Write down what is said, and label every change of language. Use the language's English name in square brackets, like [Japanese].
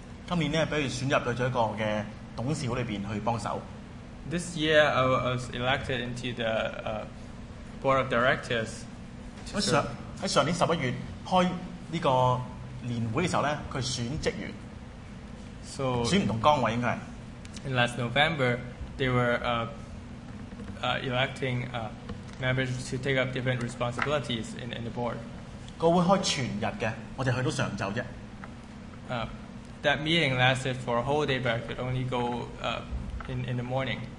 [Cantonese] 今年咧，俾佢選入到咗一個嘅董事會裏邊去幫手。 [English] This year, I was elected into the board of directors. [Cantonese] 在上年十一月开呢个年会嘅时候咧，佢选职员， [English] so, [Cantonese] 选唔同岗位应该。 [English] In last November, they were electing members to take up different responsibilities in the board. [Cantonese] 个会开全日嘅，我哋去到上昼啫。 [English] That meeting lasted for a whole day, but I could only go in the morning.